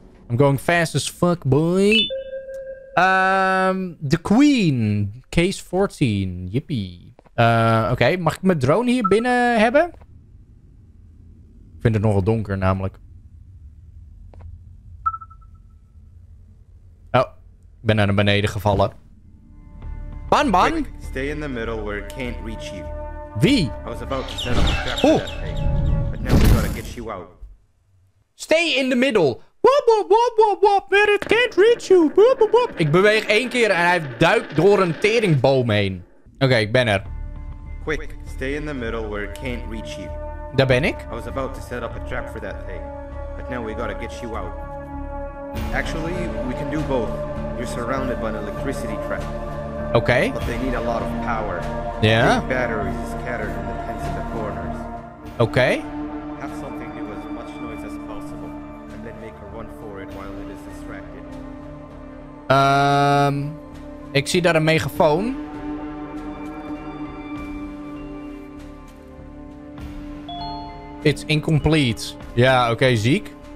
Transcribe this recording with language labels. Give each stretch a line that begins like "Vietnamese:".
English: I'm going fast as fuck, boy. The Queen.
Dutch: Case 14. Yippie. Oké. Mag ik mijn drone hier binnen hebben? Ik vind het nogal donker, namelijk. Oh. Ik ben naar beneden gevallen. Bang, bang.
English: Stay in the middle where it can't reach you.
Dutch: Wie?
English: I was about to set up a trap for that thing, but now we gotta get you out. Stay in the middle. Wop, wop, wop, wop, wop, where it can't reach you. Wop, wop, wop.
Dutch: Ik beweeg 1 keer en hij duikt door een teringboom heen. Oké, ik ben er.
English: Quick, stay in the middle where it can't reach you.
Dutch: Daar ben ik.
English: I was about to set up a trap for that thing, but But now we gotta get you out. Actually, we can do both. You're surrounded by an electricity trap. Okay. But they need a lot of power. Yeah. Big batteries scattered in the tents and the corners. Okay. Have something do as much noise as possible, and then make a run for it while it is distracted.
Dutch: Ik zie daar een megafoon.
English: It's incomplete.
Dutch: Ja, oké, ziek.